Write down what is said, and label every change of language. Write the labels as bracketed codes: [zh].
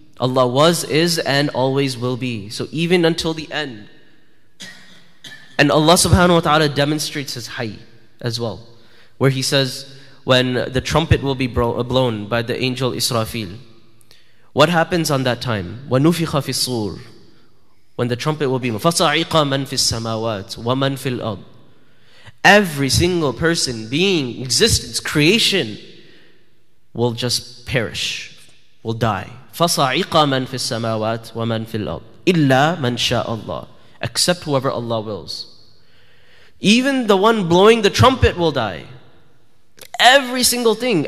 [en] Allah was, is, and always will be. So even until the end. And Allah subhanahu wa ta'ala demonstrates His hayy as well, where He says, when the trumpet will be blown by the angel Israfil, what happens on that time? [ar] وَنُفِخَ فِي الصُّورِ. [en] When the trumpet will be [ar] فَصَعِقَ مَنْ فِي السَّمَاوَاتِ وَمَنْ فِي الْأَرْضِ. [en] Every single person, being, existence, creation, will just perish, will die. [ar] فَصَعِقَ مَنْ فِي السَّمَاوَاتِ وَمَنْ فِي الْأَرْضِ إِلَّا مَنْ شَاءَ اللَّهِ. [en] Except whoever Allah wills. Even the one blowing the trumpet will die. Every single thing.